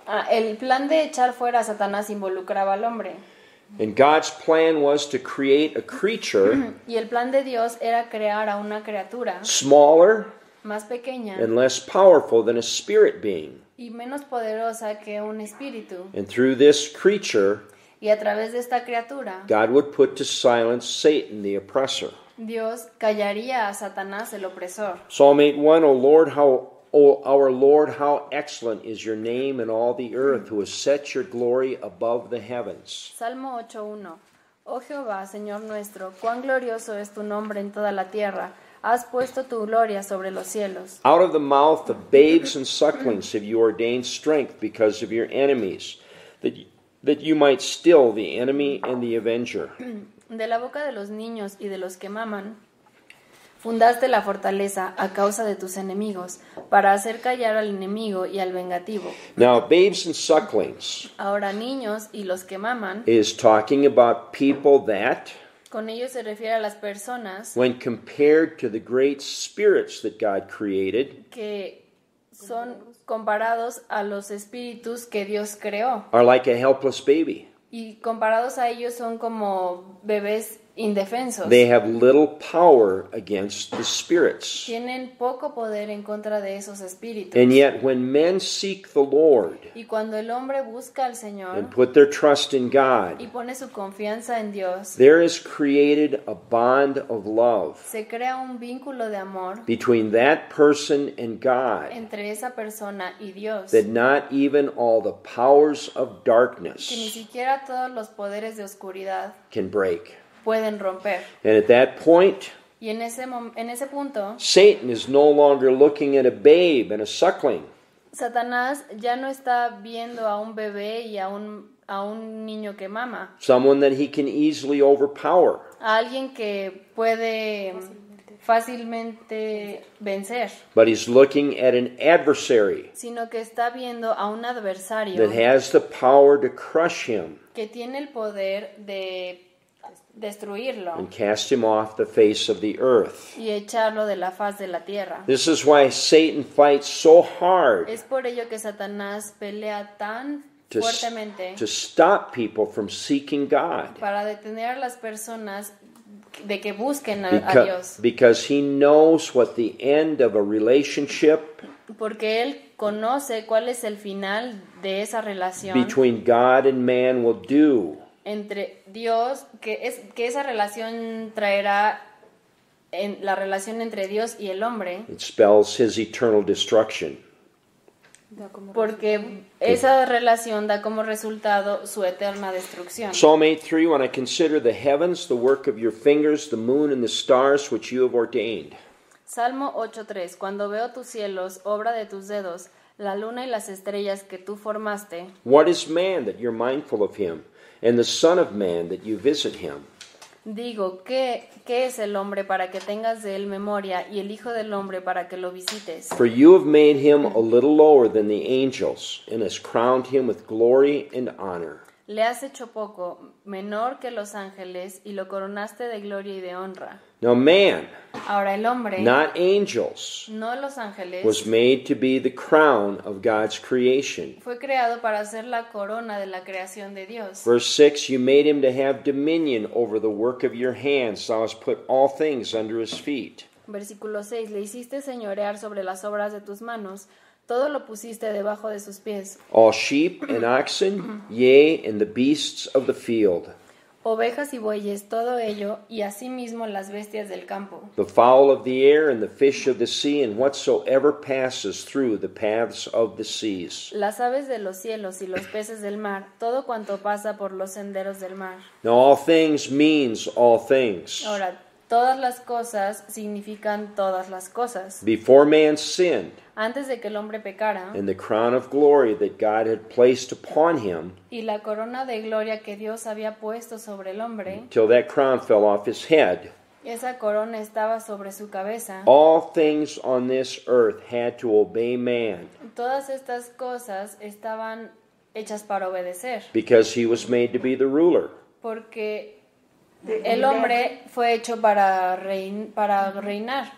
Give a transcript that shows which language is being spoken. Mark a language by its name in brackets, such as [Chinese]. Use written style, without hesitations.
[Spanish] El plan de echar fuera a Satanás involucraba al hombre. [English] And God's plan was to create a creature. [Spanish] Y el plan de Dios era crear a una criatura. [English] Smaller. [Spanish] Más pequeña. [English] And less powerful than a spirit being. [Spanish] Y menos poderosa que un espíritu. [English] And through this creature. [Spanish] Y a través de esta criatura. [English] God would put to silence Satan, the oppressor. [Spanish] Dios callaría a Satanás, el opresor. [English] Psalm 8:1, O our Lord, how excellent is your name in all the earth, who has set your glory above the heavens. [Spanish] Salmo 8:1. Oh Jehová, Señor nuestro, cuán glorioso es tu nombre en toda la tierra. Has puesto tu gloria sobre los cielos. [English] Out of the mouth of babes and sucklings have you ordained strength because of your enemies, that you might still the enemy and the avenger. [Spanish] De la boca de los niños y de los que maman, fundaste la fortaleza a causa de tus enemigos, para hacer callar al enemigo y al vengativo. [English] Now, babes and sucklings. [Spanish] Ahora, niños y los que maman. [English] Is talking about people that. [Spanish] Con ellos se refiere a las personas. [English] When compared to the great spirits that God created. [Spanish] Que son comparados a los espíritus que Dios creó. [English] Are like a helpless baby. [Spanish] Y comparados a ellos son como bebés indefensos. [English] They have little power against the spirits. [Spanish] Tienen poco poder en contra de esos espíritus. [English] And yet when men seek the Lord, [Spanish] y cuando el hombre busca al Señor, [English] and put their trust in God, [Spanish] y pone su confianza en Dios, [English] there is created a bond of love. [Spanish] Se crea un vínculo de amor [English] between that person and God. [Spanish] Entre esa persona y Dios. [English] That not even all the powers of darkness. [Spanish] Que ni siquiera todos los poderes de oscuridad [English] can break. [Spanish] Pueden romper. [English] And at that point, [Spanish] y en ese punto, [English] Satan is no longer looking at a babe and a suckling. [Spanish] Satanás ya no está viendo a un bebé y a un niño que mama. [English] Someone that he can easily overpower. [Spanish] A alguien que puede fácilmente vencer. [English] But he's looking at an adversary. [Spanish] Sino que está viendo a un adversario. [English] That has the power to crush him. [Spanish] Que tiene el poder de destruirlo. [English] And cast him off the face of the earth. [Spanish] Y echarlo de la faz de la tierra. [English] This is why Satan fights so hard. [Spanish] Es por ello que Satanás pelea tan fuertemente. [English] To stop people from seeking God. [Spanish] Para detener a las personas de que busquen a Dios. [English] Because he knows what the end of a relationship. [Spanish] Porque él conoce cuál es el final de esa relación. [English] Between God and man will do. [Spanish] Entre Dios, que esa relación traerá en la relación entre Dios y el hombre. [English] It spells his eternal destruction. [Spanish] Porque esa relación da como resultado su eterna destrucción. [English] Psalm 8:3, when I consider the heavens, the work of your fingers, the moon and the stars which you have ordained. [Spanish] Salmo 8:3, cuando veo tus cielos, obra de tus dedos, la luna y las estrellas que tú formaste. [English] What is man that you're mindful of him? And the son of man that you visit him. [Spanish] Digo, ¿qué es el hombre para que tengas de él memoria y el hijo del hombre para que lo visites? [English] For you have made him a little lower than the angels and has crowned him with glory and honor. [Spanish] Le has hecho poco, menor que los ángeles y lo coronaste de gloria y de honra. [English] Now man, [Spanish] ahora el hombre, [English] not angels, [Spanish] no los ángeles, [English] was made to be the crown of God's creation. [Spanish] Fue creado para ser la corona de la creación de Dios. [English] Verse 6, you made him to have dominion over the work of your hands. Thou hast put all things under his feet. [Spanish] Versículo 6, le hiciste señorear sobre las obras de tus manos. Todo lo pusiste debajo de sus pies. [English] All sheep and oxen, yea, and the beasts of the field. [Spanish] Ovejas y bueyes, todo ello, y asimismo las bestias del campo. [English] The fowl of the air and the fish of the sea and whatsoever passes through the paths of the seas. [Spanish] Las aves de los cielos y los peces del mar, todo cuanto pasa por los senderos del mar. [English] Now all things means all things. [Spanish] Ahora, todas las cosas significan todas las cosas. [English] Before man sinned. [Spanish] Antes de que el hombre pecara. [English] And the crown of glory that God had placed upon him. [Spanish] Y la corona de gloria que Dios había puesto sobre el hombre. [English] Till that crown fell off his head. [Spanish] Esa corona estaba sobre su cabeza. [English] All things on this earth had to obey man. [Spanish] Todas estas cosas estaban hechas para obedecer. [English] Because he was made to be the ruler. [Spanish] Porque el hombre fue hecho para reinar.